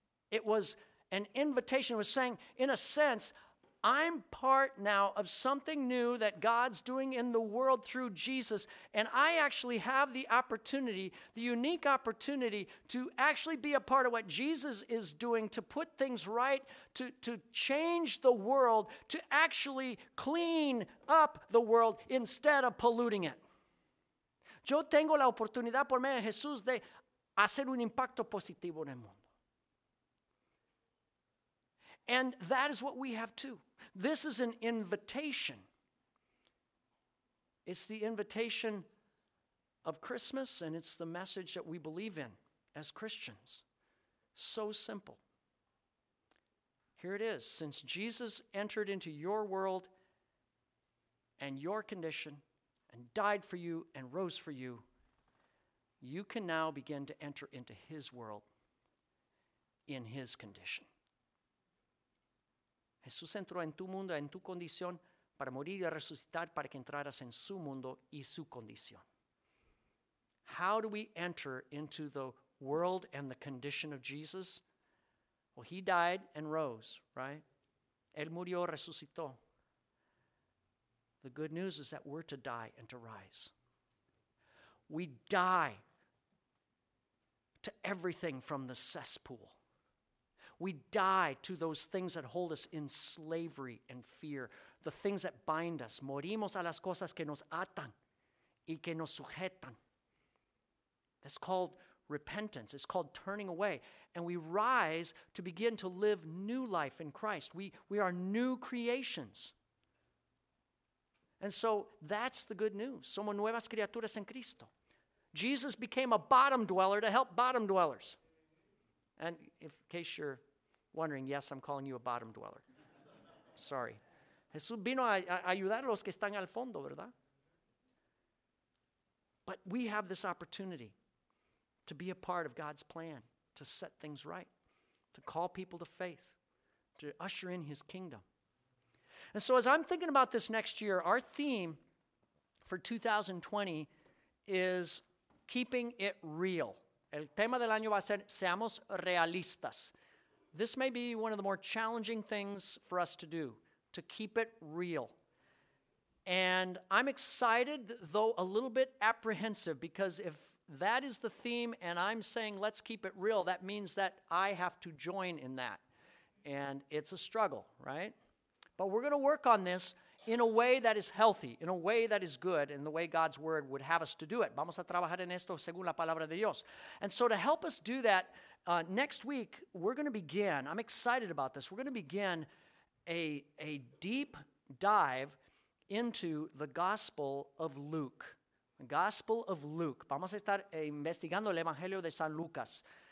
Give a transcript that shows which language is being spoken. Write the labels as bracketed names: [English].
[English] It was an invitation. It was saying, in a sense, I'm part now of something new that God's doing in the world through Jesus, and I actually have the opportunity, the unique opportunity, to actually be a part of what Jesus is doing, to put things right, to change the world, to actually clean up the world instead of polluting it. [Spanish] Yo tengo la oportunidad por medio de Jesús de hacer un impacto positivo en el mundo. [English] And that is what we have too. This is an invitation. It's the invitation of Christmas, and it's the message that we believe in as Christians. So simple. Here it is. Since Jesus entered into your world and your condition and died for you and rose for you, you can now begin to enter into his world in his condition. [Spanish] Jesús entró en tu mundo, en tu condición, para morir y resucitar, para que entraras en su mundo y su condición. [English] How do we enter into the world and the condition of Jesus? Well, he died and rose, right? [Spanish] Él murió, resucitó. [English] The good news is that we're to die and to rise. We die to everything from the cesspool. We die to those things that hold us in slavery and fear, the things that bind us. [Spanish] Morimos a las cosas que nos atan y que nos sujetan. [English] That's called repentance. It's called turning away. And we rise to begin to live new life in Christ. We are new creations. And so that's the good news. [Spanish] Somos nuevas criaturas en Cristo. [English] Jesus became a bottom dweller to help bottom dwellers. And if, in case you're wondering, yes, I'm calling you a bottom dweller. Sorry. [Spanish] Jesús vino a ayudar a los que están al fondo, ¿verdad? [English] But we have this opportunity to be a part of God's plan, to set things right, to call people to faith, to usher in his kingdom. And so as I'm thinking about this next year, our theme for 2020 is keeping it real. [Spanish] El tema del año va a ser Seamos Realistas. [English] This may be one of the more challenging things for us to do, to keep it real. And I'm excited, though a little bit apprehensive, because if that is the theme and I'm saying let's keep it real, that means that I have to join in that. And it's a struggle, right? But we're going to work on this in a way that is healthy, in a way that is good, in the way God's word would have us to do it. [Spanish] Vamos a trabajar en esto según la palabra de Dios. [English] And so to help us do that, next week, we're going to begin, I'm excited about this, we're going to begin a deep dive into the Gospel of Luke. The Gospel of Luke. [Spanish] Vamos a estar investigando el Evangelio de San Lucas.